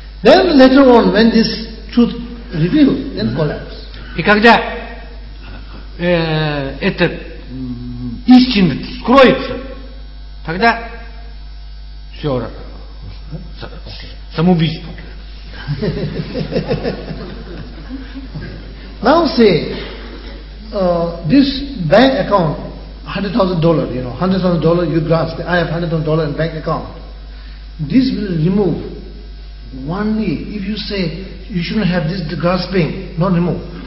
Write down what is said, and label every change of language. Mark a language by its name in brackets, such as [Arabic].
[English] Then later on, when this truth revealed, then collapse. [Russian] И когда эта истина скроется, тогда все самоубийство. [English] Now see, this bank account, $100,000, you know, $100,000, you grasp. I have $100,000 in bank account. This will remove. Only if you say you shouldn't have this grasping, not remove.